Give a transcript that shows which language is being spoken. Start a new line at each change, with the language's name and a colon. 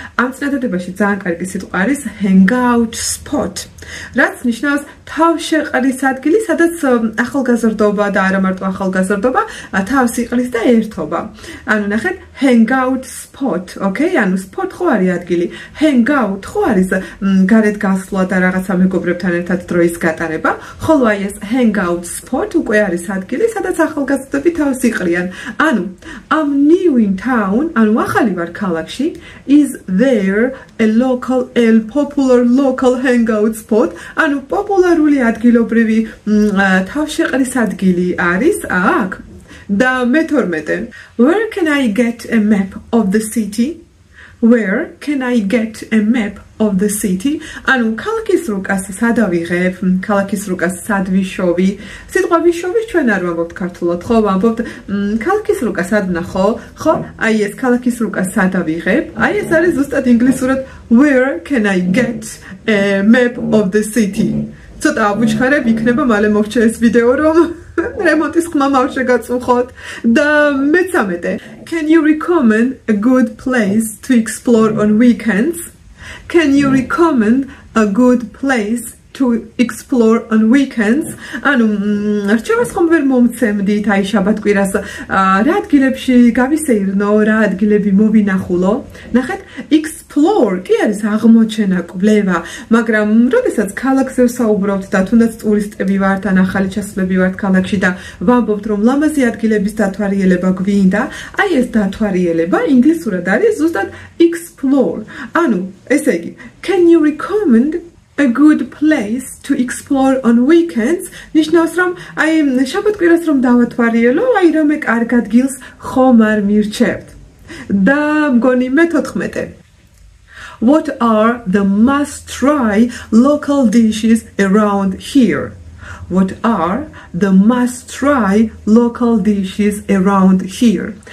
Georgian: ამ წინადადებაში ძალიან კარგი სიტყვა არის hangout spot, რაც ნიშნავს თავშეყრის ადგილი, სადაც ახალგაზრდობა და არა მარტო ახალგაზრდობა, თავს იყრის და ერთობა. ანუ ნახეთ hangout spot, ოკეი? ანუ spot ხო არის ადგილი, hangout ხო არის გარეთ გასვლა და რაღაცა მეგობრებთან ერთად დროის გატარება, ხოლო აი ეს hangout spot უკვე არის ადგილი, სადაც ახალგაზრდები თავს იყრიან. ანუ
English: I'm new in town,
Georgian: ანუ ახალი ვარ ქალაქში,
English: is there a popular local hangout spot?
Georgian: ანუ პოპულარული ადგილობრივი თავშეყრის ადგილი არის აქ? და მე-12.
English: Where can I get a map of the city? Where can I get a map of the city?
Georgian: ანუ ქალაქის რუკას სად ვიღებ? ქალაქის რუკას სად ვიშოვი? სიტყვა ვიშოვი ჩვენ არ ვამბობთ ქართულად, ხო? ვამბობთ ქალაქის რუკას სად ნახო, ხო? აი ეს ქალაქის რუკას სად ვიღებ? აი ეს არის ზუსტად ინგლისურად
English: Where can I get a map of the city?
Georgian: ცოტა აბუჩქარებ, იქნება მალე მოხჩე ეს ვიდეო, რომ რემონტის ხმა მავშე გაწუხოთ. და მე-13.
English: Can you recommend a good place to explore on weekends? Can you recommend a good place to explore on weekends?
Georgian: ანუ რჩევას ხომ ვერ მომცემდით აი შაბათკვირას, რა ადგილებში გავისეირნო, რა ადგილები მოვინახულო? ნახეთ, explore explore კი არის აღმოჩენა, კვლევა, მაგრამ როდესაც ქალაქზე ვსაუბრობთ და თუნდაც ტურისტები ვართ ან ახალი ჩასვლები ვართ ქალაქში და ვამბობთ რომ ლამაზი ადგილების დათვალიერება გვინდა, აი ეს დათვალიერება ინგლისურად არის ზუსტად explore. ანუ ესე იგი,
English: can you recommend a good place to explore on weekends?
Georgian: ნიშნავს რომ აი შაბათკვირას რომ დავათვალიერო, აი რომე კარგ ადგილს ხომ არ მირჩევთ? Da mgoni me 14.
English: What are the must try local dishes around here? What are the must try local dishes around here?